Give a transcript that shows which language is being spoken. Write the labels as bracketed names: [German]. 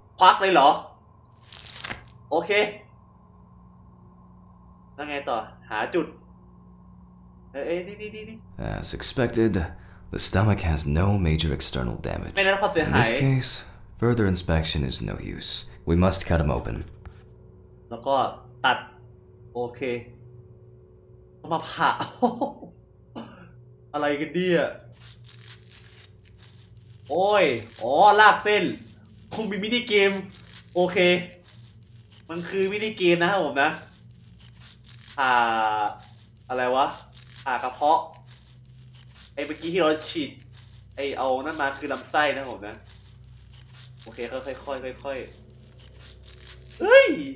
[Thai] ควักเลยเหรอโอเคแล้วไงต่อหาจุดเอ้ยนี่ [English] As expected, the stomach has no major external damage. [Thai] ไม่ได้รับความเสียหาย [English] In this case, further inspection is no use. We must cut him open. [Thai] แล้วก็ตัดโอเคมาผ่าอะไรกันดีอ่ะโอ้ยอ๋อลากเส้นคงมีมินิเกมโอเคมันคือมินิเกมนะครับผมนะผ่าอะไรวะผ่ากระเพาะไอ้เมื่อกี้ที่เราฉีดไอ้เอานั่นมาคือลำไส้นะครับผมนะโอเคค่อยเฮ้ย